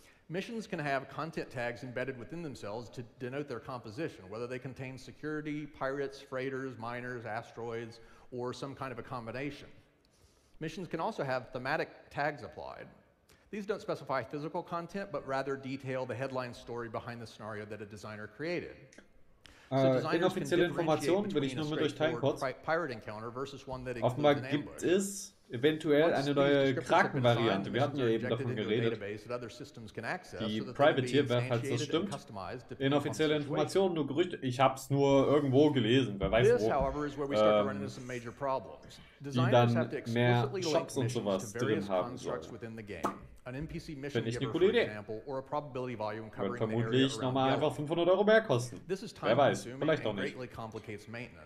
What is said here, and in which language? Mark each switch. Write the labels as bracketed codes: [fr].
[en] Missions can have content tags embedded within themselves to denote their composition, whether they contain security, pirates, freighters, miners, asteroids, or some kind of a combination. Missions can also have thematic tags applied. These don't specify physical content, but rather detail the headline story behind the scenario that a designer created. [de] Inoffizielle Informationen würde ich nur mit euch teilen kurz. Offenbar gibt es eventuell eine neue Kraken-Variante. Wir hatten ja eben davon geredet. Die Privateer, falls das stimmt. Inoffizielle Informationen, nur Gerüchte. Ich habe es nur irgendwo gelesen, wer weiß wo. Die dann mehr Shops und sowas drin haben sollen. [en] An NPC mission giver, for example, or a probability volume covering the area around the other. [de] 500 Euro mehr kosten. [en] This is time-consuming and greatly complicates maintenance.